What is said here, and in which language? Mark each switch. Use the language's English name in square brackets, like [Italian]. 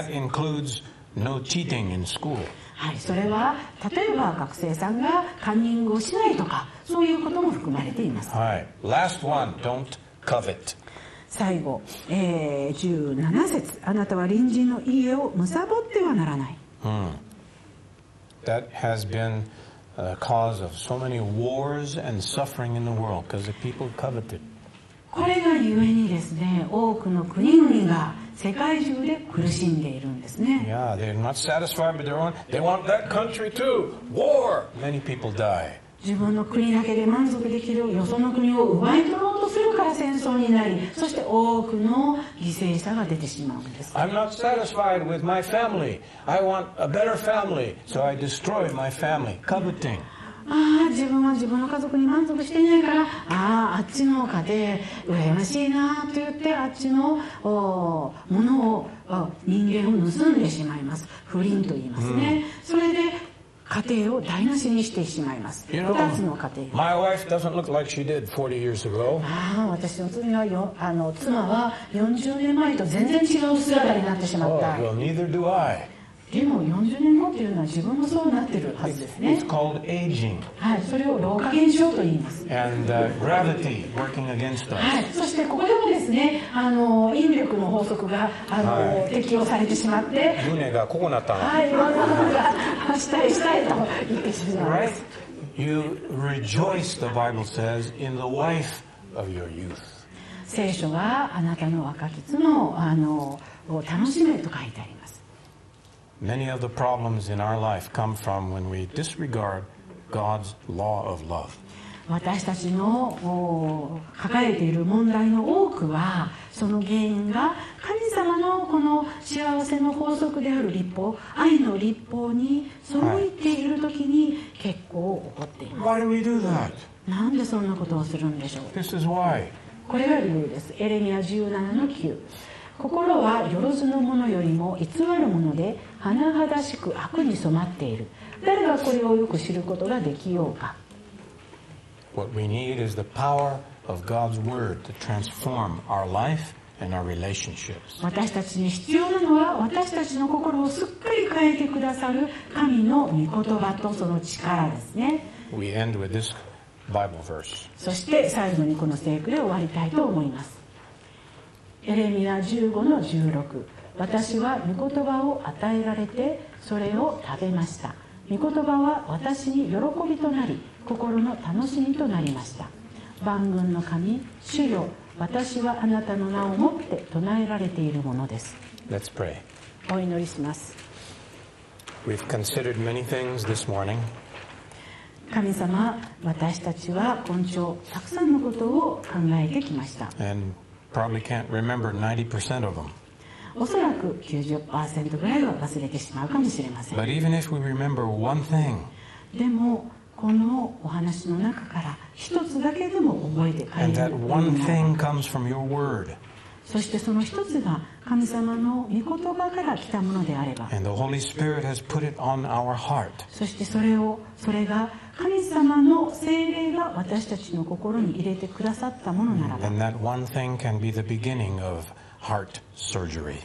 [English] And that includes no cheating in school. [Japanese] はい、それは例えば学生さんがカンニングをしないとかそういうことも含まれています。 [English] はい、Last one, don't covet. [Japanese] 最後、17節、あなたは隣人の家をむさぼってはならない。 [English] うん、That has been the cause of so many wars and suffering in the world because the people coveted. [Japanese] これがゆえにですね、多くの国々が世界中で苦しんでいるんですね。 [English] Yeah, they're not satisfied with their own. They want that country too. War. Many people die. [Japanese] 自分の国だけで満足できるよその国を奪い取ろうとするから戦争になり、そして多くの犠牲者が出てしまうんです。 [English] I'm not satisfied with my family. I want a better family, so I destroy my family. Coveting. [Japanese] ああ、自分は自分の家族に満足していないから、ああ、あっちの家で羨ましいなと言って、あっちのものを、人間を盗んでしまいます。不倫と言いますね。Mm. それで家庭を台無しにしてしまいます。 [English] You know, [Japanese] 2つの家庭。 [English] My wife doesn't look like she did 40 years ago. [Japanese] ああ、私の妻はよ、あの妻は40年前と全然違う姿になってしまった。 [English] Oh, well, neither do I. [Japanese] でも40年後というのは自分もそうなってるはずですね。 [English] It's called aging. [Japanese] はい、それを老化現象と言います。 [English] And, gravity working against us. [Japanese] はい、そしてここでもですね、引力の法則が、適用されてしまって、ユネがここになったの。はい、マザーが したいしたいと言ってしまいます。 [English] Right? You rejoice, the Bible says, in the wife of your youth. [Japanese] 聖書はあなたの若き妻を、楽しめと書いてあります。 [English] Many of the problems in our life come from when we disregard God's law of love. [Japanese] 私たちの抱えている問題の多くは、その原因が神様のこの幸せの法則である律法、愛の律法に背いているときに結構起こっています。 [English] Why do we do that? [Japanese] なんでそんなことをするんでしょう? [English] This is why. [Japanese] これが理由です。エレミア 17-9。心はよろずのものよりも偽るもので、甚だしく悪に染まっている。誰がこれをよく知ることができようか。 [English] What we need is the power of God's word to transform our life and our relationships. [Japanese] 私たちに必要なのは、私たちの心をすっかり変えてくださる神の御言葉とその力ですね。 [English] We end with this Bible verse. [Japanese] そして最後にこの聖句で終わりたいと思います。エレミア 15-16 私は御言葉を与えられてそれを食べました。御言葉は私に喜びとなり心の楽しみとなりました。万軍の神主よ、私はあなたの名をもって唱えられているものです。 [English] Let's pray. [Japanese] お祈りします。 [English] We've considered many things this morning. [Japanese] 神様、私たちは今朝たくさんのことを考えてきました。 [English] AndProbably can't remember 90% of them. [Japanese] おそらく 90% ぐらいは忘れてしまうかもしれません。 [English] But even if we remember one thing, [Japanese] でもこのお話の中から一つだけでも覚えて帰る。 [English] And that one thing comes from your word. [Japanese] そしてその一つが神様の御言葉から来たものであれば。 [English] And the Holy Spirit has put it on our heart. [Japanese] そしてそれが神様の聖霊が私たちの心に入れてくださったものならば、 [English] And that one thing can be the beginning of heart surgery.